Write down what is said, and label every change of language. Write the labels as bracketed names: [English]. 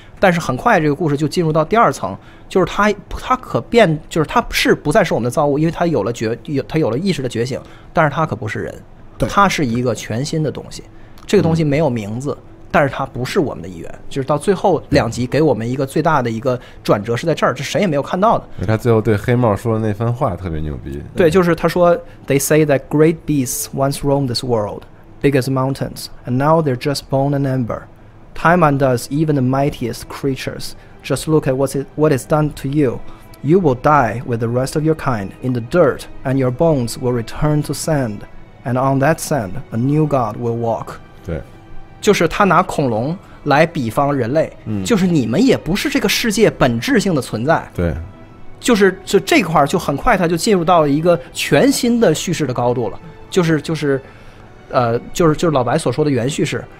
[Chinese] 但是很快这个故事就进入到第二层，就是他可变，就是他是不再是我们的造物，因为他有了意识的觉醒，但是他可不是人。对，它是一个全新的东西，这个东西没有名字。嗯，但是它不是我们的一员。就是到最后两集给我们一个最大的一个转折是在这儿，这谁也没有看到的。他最后对黑帽说的那番话特别牛逼。对，就是他说 [English] They say that great beasts once roamed this world big as mountains and now they're just bone and amber. Time undoes even the mightiest creatures. Just look at what it's done to you. You will die with the rest of your kind in the dirt and your bones will return to sandAnd on that sand, a new god will walk. [Chinese] 对，就是他拿恐龙来比方人类。嗯，就是你们也不是这个世界本质性的存在。对，就这块就很快他就进入到一个全新的叙事的高度了。就是老白所说的原叙事。